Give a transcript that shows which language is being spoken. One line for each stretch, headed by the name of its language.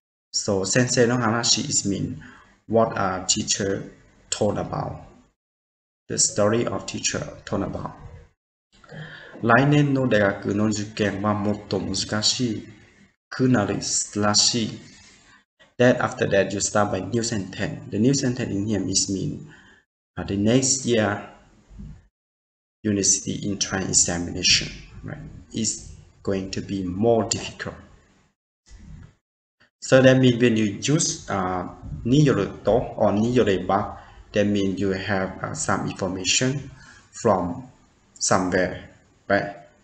English: So
Japanese: 先生の話
English: is mean what a teacher told about. The story of teacher told about.
Japanese: 来年の大学の受験はもっと難しくなるらしい。
English: Then after that, you start by new sentence. The new sentence in here is mean the next year university entrance examination, right? Is going to be more difficult. So that means when you use niyoruto or niyoreba, that means you have some information from somewhere, right?